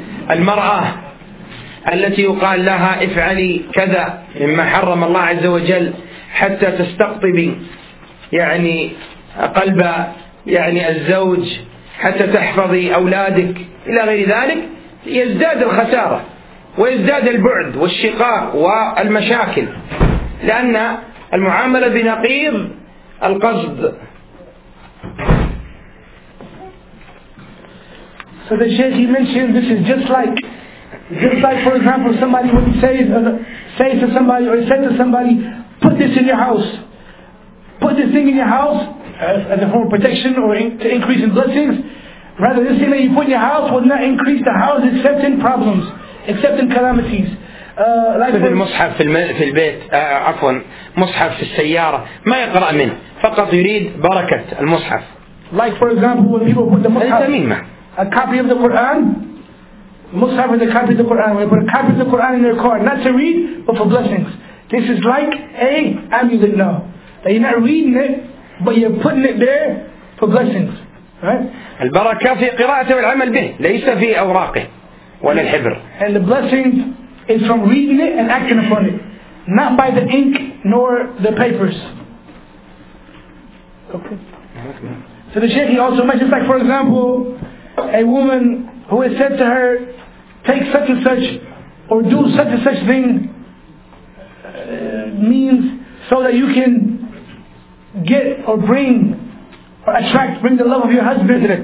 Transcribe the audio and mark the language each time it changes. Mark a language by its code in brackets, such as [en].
[ar] المرأة التي يقال لها افعلي كذا مما حرم الله عز وجل حتى تستقطبي يعني قلب يعني الزوج حتى تحفظي أولادك إلى غير ذلك، يزداد الخسارة ويزداد البعد والشقاق والمشاكل، لأن المعاملة بنقيض القصد. [en] So the Shaykh, he mentioned this is just like for example somebody would say to somebody or said to somebody, put this in your house, put this thing in your house as a form of protection or to increase in blessings. Rather, this thing that you put in your house would not increase the house except in problems, except in calamities. [ar] مثل مصحف في البيت، عفوا مصحف في السيارة ما يقرأ منه، فقط يريد بركة المصحف. [en] Like for example when people put the [ar] مصحف [en] a copy of the Quran, مصحف is a copy of the Quran. When they put a copy of the Quran in their car, not to read but for blessings. This is like a amulet now. That you're not reading it but you're putting it there for blessings. Right? [ar] البركة في قراءة والعمل به، ليس في أوراقه ولا الحبر. [en] And the blessings is from reading it and acting upon it, not by the ink nor the papers. Okay. So the Shaykh, he also mentions, like for example, a woman who has said to her, take such and such or do such and such thing means so that you can get or bring or attract, bring the love of your husband.